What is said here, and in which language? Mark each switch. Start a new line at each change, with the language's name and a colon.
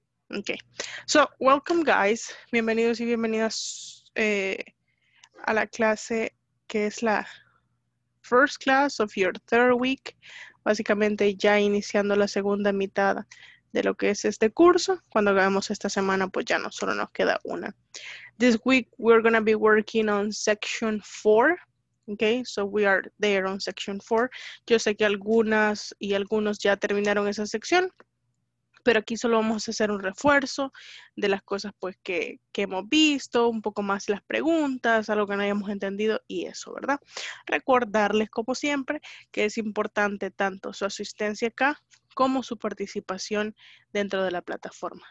English: Ok. So, welcome guys.
Spanish: Bienvenidos y bienvenidas a la clase que es la
English: first class of your third week,
Spanish: básicamente ya iniciando la segunda mitad de lo que es este curso. Cuando acabemos esta semana, pues ya no solo nos queda una.
English: This week we're going to be working on section 4, okay? So we are there on section 4.
Spanish: Yo sé que algunas y algunos ya terminaron esa sección, pero aquí solo vamos a hacer un refuerzo de las cosas pues que hemos visto, un poco más las preguntas, algo que no hayamos entendido y eso, ¿verdad? Recordarles, como siempre, que es importante tanto su asistencia acá como su participación dentro de la plataforma.